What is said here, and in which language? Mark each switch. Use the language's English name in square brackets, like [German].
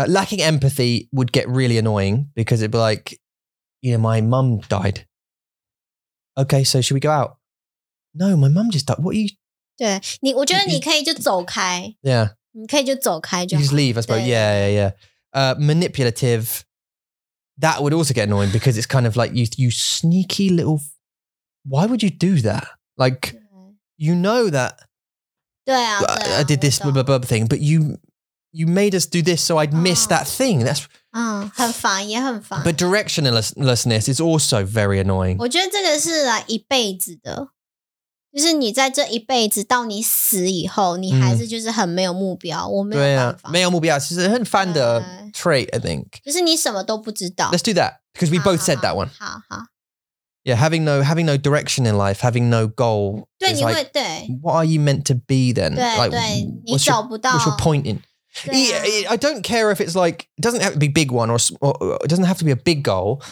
[English] Lacking empathy would get really annoying because it'd be like, you know, my mum died. Okay, so should we go out? No, my mum just died. What are you... [Chinese] 对,你,我觉得你可以就走开。 [English] Yeah. [Chinese] 你可以就走开就好。 [English] You just leave, I suppose. Yeah. Manipulative, that would also get annoying because it's kind of like you sneaky little... Why would you do that? Like... You know that [Chinese] 对啊, 对啊, [English] I did this blah, blah, blah thing, but you made us do this so I'd miss that thing. That's [Chinese] 很烦也很烦。 [English] But directionlessness is also very annoying. [Chinese] 我觉得这个是一辈子的。就是你在这一辈子到你死以后你还是就是很没有目标。我没有办法。对啊,没有目标其实很烦的 trait, [English] I think. [Chinese] 就是你什么都不知道。 [English] Let's do that, because we both said that one. [Chinese] 好。 [English] Yeah, having no direction in life, having no goal. [Chinese] 对, [English] is [Chinese] 你会, [English] like, [Chinese] 对。 [English] What are you meant to be then? [Chinese] 对, [English] like, [Chinese] 对, [English] what's, [Chinese] 你找不到, [English] what's your point in? [Chinese] 对啊。 [English] I don't care if it's like, it doesn't have to be a big one or it doesn't have to be a big goal.